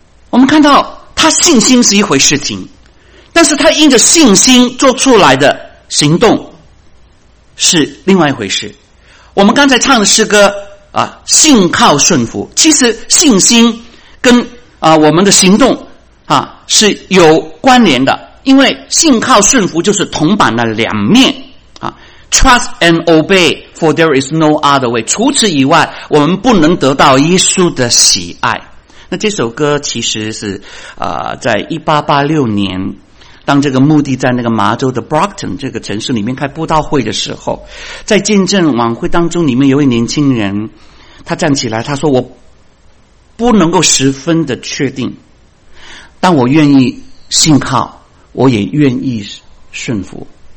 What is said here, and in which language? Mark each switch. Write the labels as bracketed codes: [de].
[zh] 我们看到他信心是一回事情，但是他因着信心做出来的行动是另外一回事。我们刚才唱的诗歌啊，信靠顺服，其实信心跟啊我们的行动啊是有关联的，因为信靠顺服就是铜板的两面啊。 [en] Trust and obey, for there is no other way. [zh] 除此以外，我们不能得到耶稣的喜爱。那这首歌其实是在1886年，当这个穆迪在那个麻州的 Brockton 这个城市里面开布道会的时候，在见证晚会当中，里面有位年轻人，他站起来，他说：“我不能够十分的确定，但我愿意信靠，我也愿意顺服。”